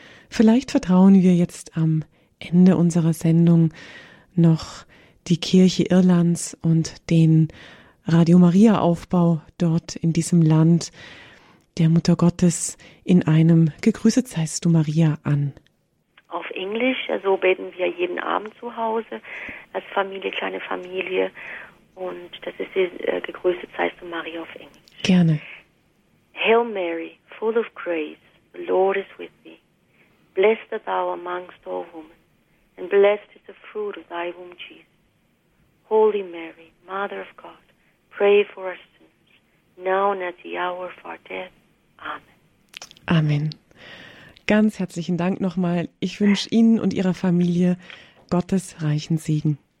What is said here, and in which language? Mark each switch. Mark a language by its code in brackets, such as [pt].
[de] Vielleicht vertrauen wir jetzt am Ende unserer Sendung noch die Kirche Irlands und den Radio Maria Aufbau dort in diesem Land der Mutter Gottes in einem Gegrüßet seist du Maria an. Auf Englisch, so beten wir jeden Abend zu Hause als Familie, kleine Familie, und das ist die Gegrüßet seist du Maria auf Englisch. Gerne. [en] Hail Mary, full of grace, the Lord is with thee. Blessed art thou amongst all women, and blessed is the fruit of thy womb, Jesus. Holy Mary, Mother of God, pray for us sinners, now and at the hour of our death. Amen. [de] Amen. Ganz herzlichen Dank nochmal. Ich wünsche Ihnen und Ihrer Familie Gottes reichen Segen.